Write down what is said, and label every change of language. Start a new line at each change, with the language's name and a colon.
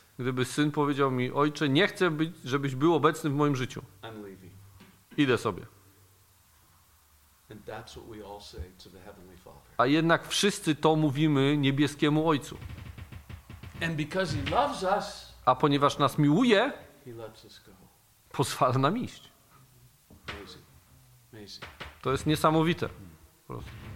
Polish: Gdyby syn powiedział mi: ojcze, nie chcę, żebyś był obecny w moim życiu.
English: I'm leaving.
Polish: Idę sobie.
English: And that's what we all say to the Heavenly Father.
Polish: A jednak wszyscy to mówimy niebieskiemu Ojcu.
English: And because he loves us,
Polish: a ponieważ nas miłuje,
English: he lets us go.
Polish: Pozwala nam iść.
English: Amazing. Amazing.
Polish: To jest niesamowite. Po prostu.